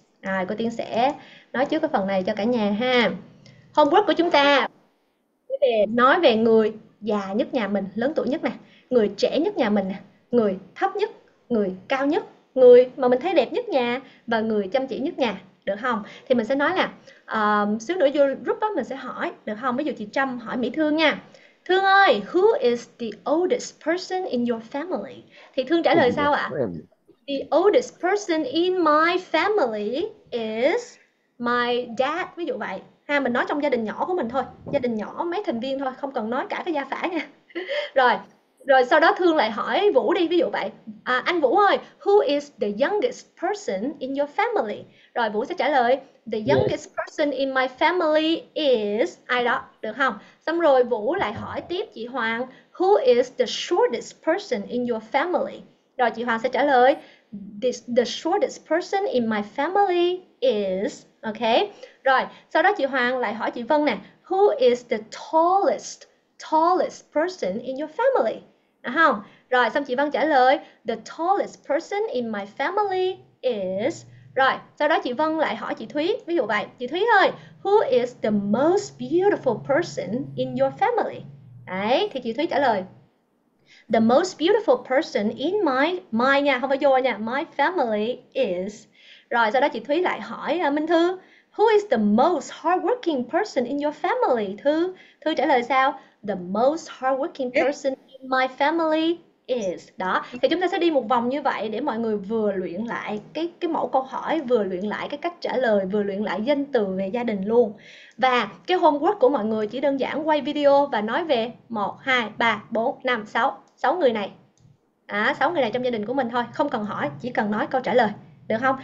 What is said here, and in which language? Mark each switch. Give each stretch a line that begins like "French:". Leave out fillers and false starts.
Vietnamese: Rồi, cô Tiên sẽ nói trước cái phần này cho cả nhà ha. Homework của chúng ta nói về người già nhất nhà mình, lớn tuổi nhất nè, người trẻ nhất nhà mình, người thấp nhất, người cao nhất, người mà mình thấy đẹp nhất nhà và người chăm chỉ nhất nhà, được không? Thì mình sẽ nói là xíu nữa vô group đó mình sẽ hỏi, được không? Ví dụ chị Trâm hỏi Mỹ Thương nha.
English: Thương ơi, who is the oldest person in your family?
Vietnamese: Thì Thương trả lời sao ạ?
English: The oldest person in my family is my dad,
Vietnamese: ví dụ vậy.
English: Ha, mình nói trong gia đình nhỏ của mình thôi, gia đình nhỏ mấy thành viên thôi, không cần nói cả cái gia phả nha. Rồi. Rồi sau đó Thương lại hỏi Vũ đi, ví dụ vậy.
Vietnamese: À, anh Vũ ơi,
English: who is the youngest person in your family?
Vietnamese: Rồi Vũ sẽ trả lời,
English: the youngest yes. person in my family is
Vietnamese: ai đó, được không? Xong rồi Vũ lại hỏi tiếp chị Hoàng,
English: who is the shortest person in your family?
Vietnamese: Rồi chị Hoàng sẽ trả lời,
English: the shortest person in my family is, ok.
Vietnamese: Rồi sau đó chị Hoàng lại hỏi chị Vân nè,
English: who is the tallest person in your family?
Vietnamese: Được không? Rồi xong chị Vân trả lời,
English: the tallest person in my family is.
Vietnamese: Rồi sau đó chị Vân lại hỏi chị Thúy, ví dụ vậy, chị Thúy ơi,
English: who is the most beautiful person in your family?
Vietnamese: Đấy, thì chị Thúy trả lời,
English: the most beautiful person in my
Vietnamese: nha, không phải vô nha,
English: my family is.
Vietnamese: Rồi sau đó chị Thúy lại hỏi Minh Thư,
English: who is the most hardworking person in your family?
Vietnamese: Thư trả lời sao?
English: The most hardworking person in my family is.
Vietnamese: Đó, thì chúng ta sẽ đi một vòng như vậy để mọi người vừa luyện lại cái mẫu câu hỏi, vừa luyện lại cái cách trả lời, vừa luyện lại danh từ về gia đình luôn. Và cái homework của mọi người chỉ đơn giản quay video và nói về 1, 2, 3, 4, 5, 6, 6 người này. À, 6 người này trong gia đình của mình thôi, không cần hỏi, chỉ cần nói câu trả lời. Được không?